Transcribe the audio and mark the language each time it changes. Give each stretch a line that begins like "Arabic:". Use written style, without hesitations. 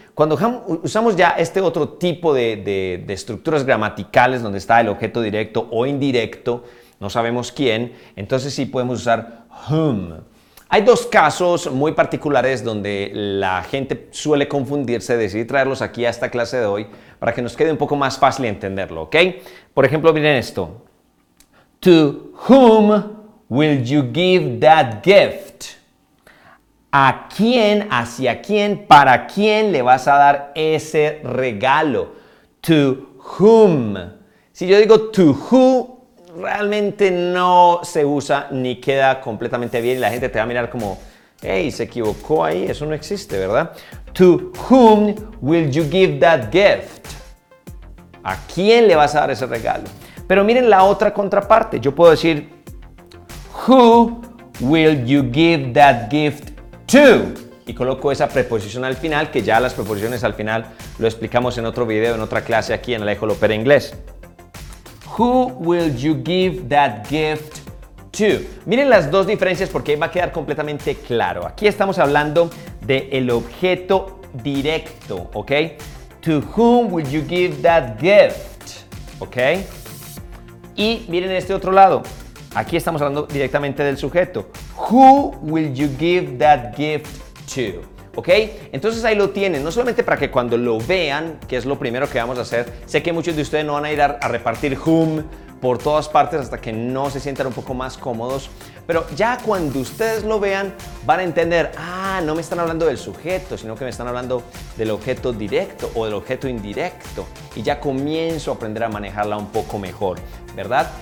Spanish: Cuando usamos ya este otro tipo de estructuras gramaticales donde está el objeto directo o indirecto, no sabemos quién, entonces sí podemos usar whom. Hay dos casos muy particulares donde la gente suele confundirse, decidí traerlos aquí a esta clase de hoy para que nos quede un poco más fácil entenderlo, ¿ok? Por ejemplo, miren esto.
English: To whom will you give that gift?
Spanish: ¿A quién, hacia quién, para quién le vas a dar ese regalo?
English: To whom.
Spanish: Si yo digo to who, realmente no se usa ni queda completamente bien y la gente te va a mirar como, hey, se equivocó ahí, eso no existe, ¿verdad?
English: To whom will you give that gift?
Spanish: ¿A quién le vas a dar ese regalo? Pero miren la otra contraparte, yo puedo decir,
English: who will you give that gift to?
Spanish: Y coloco esa preposición al final, que ya las preposiciones al final lo explicamos en otro video, en otra clase aquí en Alejo Lopera Inglés.
English: Who will you give that gift to?
Spanish: Miren las dos diferencias porque ahí va a quedar completamente claro. Aquí estamos hablando del objeto directo, ¿ok?
English: To whom will you give that gift?
Spanish: ¿Ok? Y miren este otro lado. Aquí estamos hablando directamente del sujeto.
English: Who will you give that gift to?
Spanish: ¿Ok? Entonces ahí lo tienen, no solamente para que cuando lo vean, que es lo primero que vamos a hacer, sé que muchos de ustedes no van a ir a repartir whom por todas partes hasta que no se sientan un poco más cómodos, pero ya cuando ustedes lo vean, van a entender, ah, no me están hablando del sujeto, sino que me están hablando del objeto directo o del objeto indirecto, y ya comienzo a aprender a manejarla un poco mejor, ¿verdad?